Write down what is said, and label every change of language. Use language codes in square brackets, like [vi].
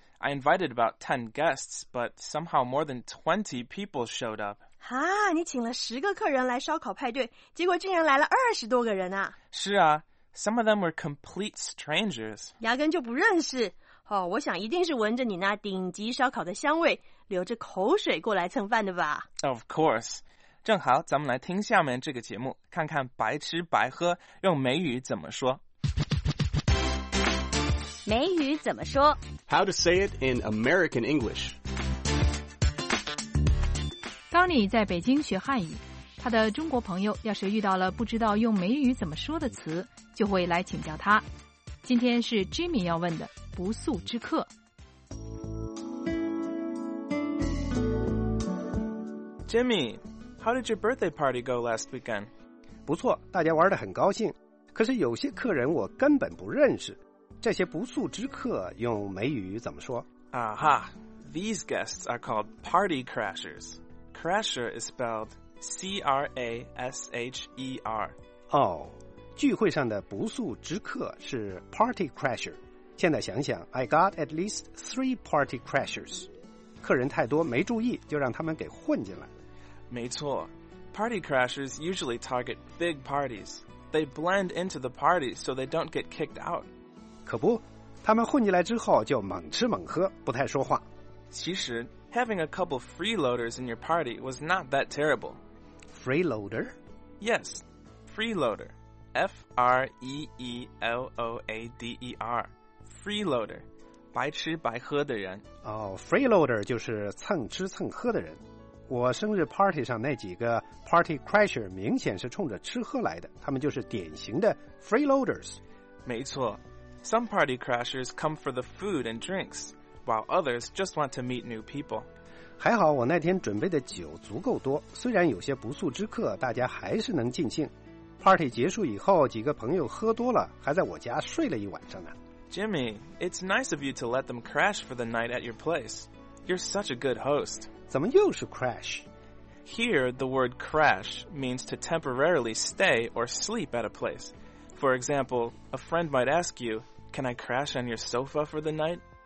[en] I invited about 10 guests, but somehow more than 20 people showed up. [zh] 哈，你请了十个客人来烧烤派对，结果竟然来了二十多个人啊。是啊， [en] some of them were complete strangers. [zh] 压根就不认识。哦，我想一定是闻着你那顶级烧烤的香味，流着口水过来蹭饭的吧。 [en] Of course. [zh] 正好咱们来听下面这个节目，看看白吃白喝用美语怎么说。美语怎么说？ [en] How to say it in American English. [zh] Tony 在北京学汉语，他的中国朋友要是遇到了不知道用美语怎么说的词，就会来请教他。今天是 Jimmy 要问的不速之客。 [en] Jimmy, how did your birthday party go last weekend? [zh] 不错，大家玩得很高兴，可是有些客人我根本不认识。这些不速之客用美语怎么说？ [en] 啊哈，these guests are called party crashers. Crasher is spelled C-R-A-S-H-E-R. [zh] 哦，聚会上的不速之客是 party crasher. 现在想想 [en] ，I got at least 3 party crashers. [zh] 客人太多，没注意，就让他们给混进来。没错 [en] ，party crashers usually target big parties. They blend into the party so they don't get kicked out. [zh] 可不，他们混进来之后就猛吃猛喝，不太说话。其实 [en] having a couple freeloaders in your party was not that terrible. freeloader? Yes, freeloader. F-R-E-E-L-O-A-D-E-R. [zh] Freeloader, 白吃白喝的人。哦、freeloader 就是蹭吃蹭喝的人。我生日 party 上那几个 party crasher 明显是冲着吃喝来的，他们就是典型的 freeloaders。没错， [en] some party crashers come for the food and drinks, while others just want to meet new people. [zh] 还好我那天准备的酒足够多，虽然有些不速之客，大家还是能尽兴。 Party 结束以后，几个朋友喝多了，还在我家睡了一晚上呢。 [en] Jimmy, it's nice of you to let them crash for the night at your place. You're such a good host. [zh] 怎么又是 crash? [en] Here, the word crash means to temporarily stay or sleep at a place. For example, a friend might ask you, can I crash on your sofa for the night?